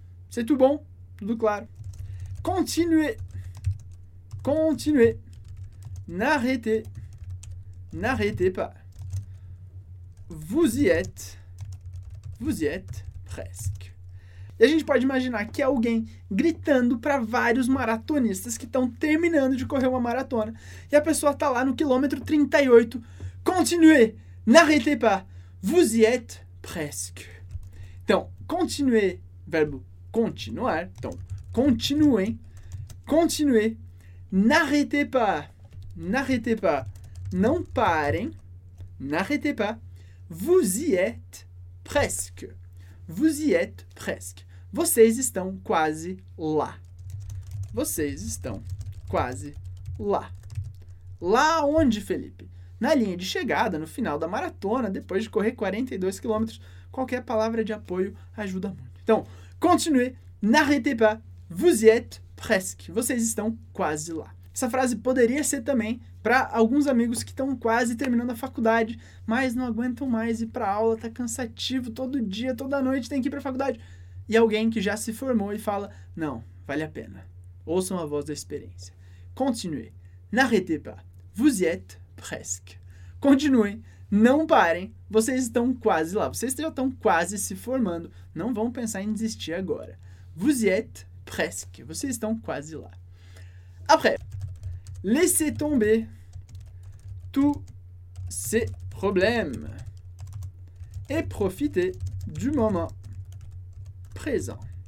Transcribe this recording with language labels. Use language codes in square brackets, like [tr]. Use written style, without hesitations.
[fr] C'est tout bon? [pt] Tudo claro? [fr] Continuez. Continuez. N'arrêtez. N'arrêtez pas. Vous y êtes presque. [pt] E a gente pode imaginar que alguém gritando para vários maratonistas que estão terminando de correr uma maratona e a pessoa está lá no quilômetro 38. [fr] Continuez, n'arrêtez pas. Vous y êtes presque. [pt] Então, continuez, verbo continuar. Então, continuem, continuez. [fr] N'arrêtez pas, n'arrêtez pas. [pt] Não parem, [fr] n'arrêtez pas. Vous y êtes presque. Vous y êtes presque. [pt] Vocês estão quase lá. Vocês estão quase lá. Lá onde, Felipe? Na linha de chegada, no final da maratona, depois de correr 42 km. Qualquer palavra de apoio ajuda muito. [fr] Então, continuez, n'arrêtez pas. Vous y êtes presque. [pt] Vocês estão quase lá. Essa frase poderia ser também para alguns amigos que estão quase terminando a faculdade, mas não aguentam mais ir para aula, tá cansativo, todo dia, toda noite tem que ir para a faculdade. E alguém que já se formou e fala, não, vale a pena. Ouçam a voz da experiência. [fr] Continuez. N'arrêtez pas. Vous y êtes presque. [pt] Continuem. Não parem. Vocês estão quase lá. Vocês já estão quase se formando. Não vão pensar em desistir agora. [fr] Vous y êtes presque. [pt] Vocês estão quase lá. [fr] Après. Laissez tomber tous ces problèmes et profitez du moment présent.